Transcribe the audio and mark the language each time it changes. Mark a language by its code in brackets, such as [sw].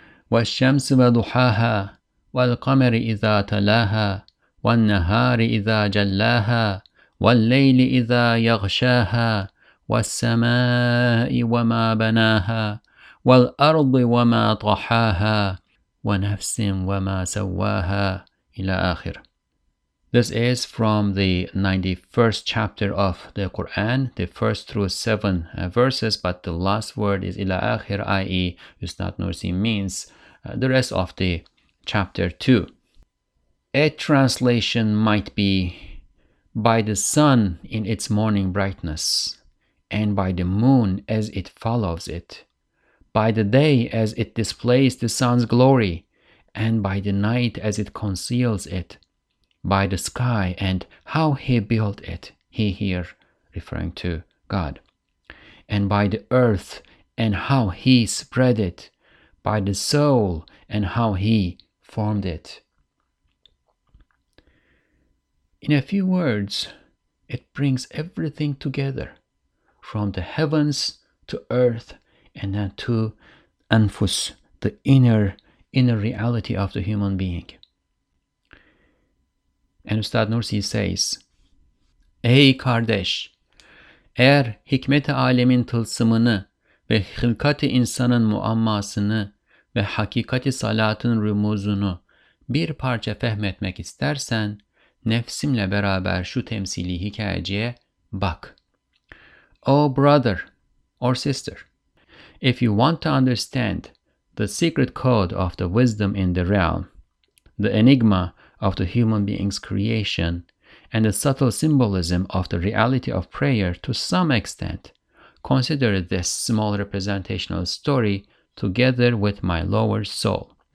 [ar] وَالشَّمْسِ وَضُحَاهَا وَالْقَمَرِ إِذَا تَلَاهَا وَالنَّهَارِ إِذَا جَلَّاهَا وَاللَّيْلِ إِذَا يَغْشَاهَا والسماء وما بناها والأرض وما طحاها ونفس وما سواها إلى آخر. [en] This is from the 91st chapter of the Quran, the first through 7 verses, but the last word is [ar] إلى آخر, [en] i.e. Usnad Nursi means the rest of the chapter 2. A translation might be by the sun in its morning brightness, and by the moon as it follows it, by the day as it displays the sun's glory, and by the night as it conceals it, by the sky and how he built it, he here referring to God, and by the earth and how he spread it, by the soul and how he formed it. In a few words, it brings everything together, from the heavens to earth and then to anfus, the inner reality of the human being. And Ustad Nursi says, [tr] Ey kardeş, eğer hikmet-i alemin tılsımını ve hılkat-i insanın muammasını ve hakikat-i salatın rümuzunu bir parça fehmetmek istersen, nefsimle beraber şu temsili hikayeciye bak. [en] O brother or sister, if you want to understand the secret code of the wisdom in the realm, the enigma of the human being's creation, and the subtle symbolism of the reality of prayer to some extent, consider this small representational story together with my lower soul.